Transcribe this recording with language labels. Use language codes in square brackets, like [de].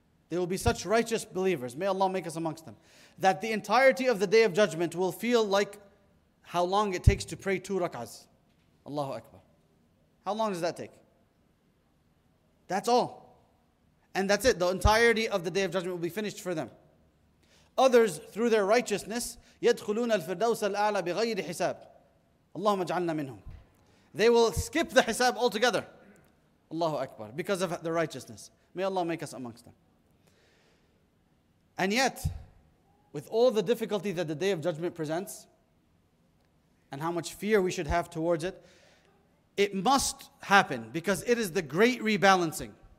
[en] They will be such righteous believers. May Allah make us amongst them. That the entirety of the Day of Judgment will feel like how long it takes to pray 2 rak'ahs. Allahu Akbar. How long does that take? That's all. And that's it. The entirety of the Day of Judgment will be finished for them. Others, through their righteousness, [ar] يَدْخُلُونَ الْفِرْدَوْسَ الْأَعْلَى بِغَيْرِ حِسَابٍ اللَّهُمَّ اجْعَلْنَا مِنْهُمْ. [en] They will skip the hisab altogether. Allahu Akbar. Because of their righteousness. May Allah make us amongst them. And yet, with all the difficulty that the Day of Judgment presents, and how much fear we should have towards it, it must happen because it is the great rebalancing.